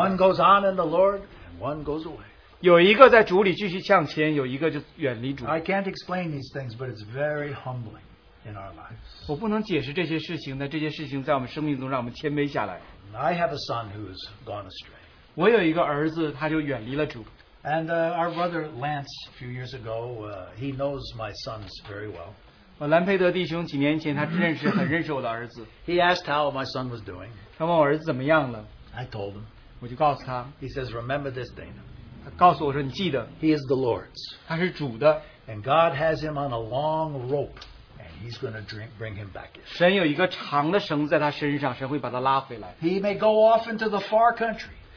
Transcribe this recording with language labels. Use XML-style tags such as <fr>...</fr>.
<en>One goes on in the Lord, and one goes away.</en> <zh>有一个在主里继续向前，有一个就远离主。</zh> <en>I can't explain these things, but it's very humbling in our lives.</en> <zh>我不能解释这些事情，但这些事情在我们生命中让我们谦卑下来。</zh> <en>I have a son who's gone astray.</en> <zh>我有一个儿子，他就远离了主。</zh> <en>And our brother Lance, a few years ago, he knows my sons very well.</en> <zh>兰佩德弟兄几年前他认识我的儿子。</zh> <en>He asked how my son was doing.</en> <zh>他问我儿子怎么样了。</zh> <en>I told him.</en> <zh>我就告诉他。</zh> <en>He says, remember this, Dana. He is the Lord's.</en> <zh>他是主的,</zh> <en>and God has him on a long rope, and he's going to bring him back in.</en> <zh>神有一个长的绳子在他身上,</zh> <en>he may go off into the far country,</en>